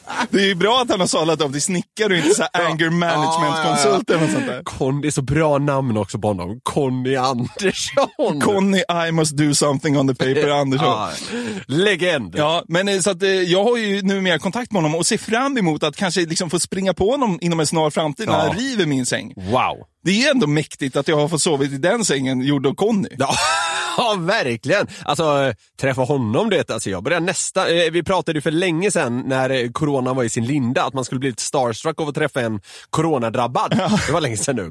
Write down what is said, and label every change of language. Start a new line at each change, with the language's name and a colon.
Swedish: Det är ju bra att han har salat av till snickare och inte så här anger management-konsulten och sånt där. Conny, så bra namn också på honom. Conny Andersson.
English: Conny, I must do something on the paper, Andersson.
Swedish: Legend. Ja, men så att jag har ju nu mer kontakt med honom och ser fram emot att kanske liksom få springa på honom inom en snar framtid när han river min säng. Wow. Det är ändå mäktigt att jag har fått sovit i den sängen gjord av Conny. Ja. Ja, verkligen. Alltså, träffa honom, det alltså, jag började nästa. Vi pratade ju för länge sedan när corona var i sin linda att man skulle bli lite starstruck av att träffa en coronadrabbad. Ja. Det var länge sedan nu.